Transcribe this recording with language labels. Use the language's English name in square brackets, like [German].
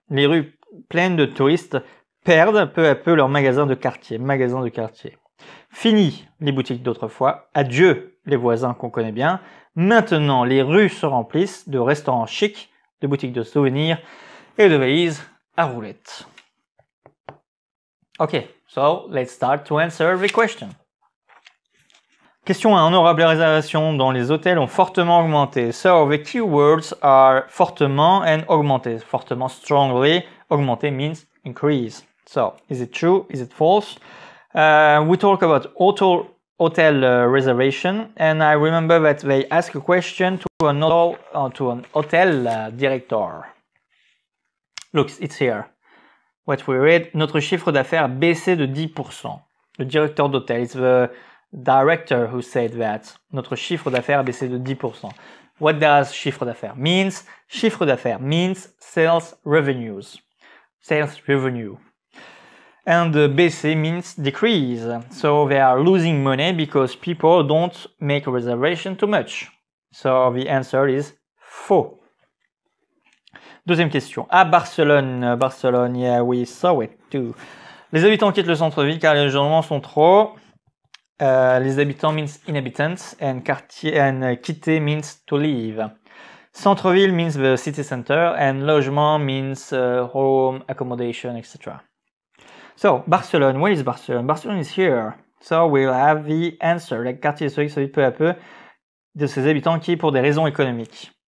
[French] Les rues pleines de touristes perdent peu à peu leurs magasins de quartier. Fini les boutiques d'autrefois. Adieu les voisins qu'on connaît bien. Maintenant, les rues se remplissent de restaurants chics, de boutiques de souvenirs et de valises à roulettes. [English] Ok, so let's start to answer the question. Question 1. [French] Honorable, les réservations dans les hôtels ont fortement augmenté. [English] So, the keywords are fortement and augmenté. Fortement, strongly. Augmenté means increase. So, is it true? Is it false? We talk about hotel reservation. And I remember that they ask a question to an hotel director. Look, it's here. What we read. [French] Notre chiffre d'affaires a baissé de 10%. Le directeur d'hôtel, [English] it's the director who said that. [French] Notre chiffre d'affaires a baissé de 10%. [English] What does chiffre d'affaires means? Chiffre d'affaires means sales revenues. Sales revenue. And baissé means decrease. So they are losing money because people don't make reservation too much. So the answer is faux. [French] Deuxième question. [English] À Barcelone, yeah, we saw it too. [French] Les habitants quittent le centre-ville car les logements sont trop... [English] les habitants means inhabitants and quartier and quitter means to leave. Centre-ville means the city center and logement means home, accommodation, etc. So, Barcelone, where is Barcelone? Barcelone is here. So, we'll have the answer. [French] Like, quartier historique se vide peu à peu de ses habitants qui, pour des raisons économiques.